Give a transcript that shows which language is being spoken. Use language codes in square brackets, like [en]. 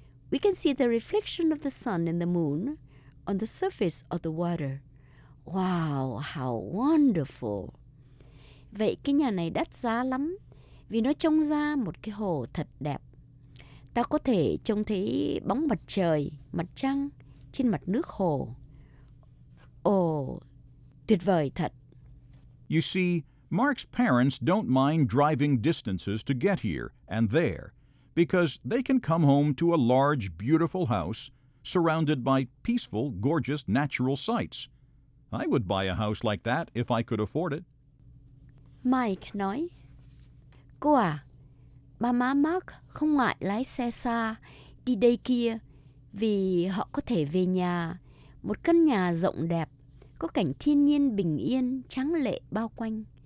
[en] We can see the reflection of the sun and the moon on the surface of the water. Wow, how wonderful! [vi] Vậy cái nhà này đắt giá lắm, vì nó trông ra một cái hồ thật đẹp. Ta có thể trông thấy bóng mặt trời, mặt trăng trên mặt nước hồ. Oh, tuyệt vời thật! [en] You see, Mark's parents don't mind driving distances to get here and there because they can come home to a large, beautiful house surrounded by peaceful, gorgeous natural sights. I would buy a house like that if I could afford it. [vi] Mike nói, cô à, ba má Mark không ngại lái xe xa đi đây kia vì họ có thể về nhà, một căn nhà rộng đẹp, có cảnh thiên nhiên bình yên, tráng lệ bao quanh.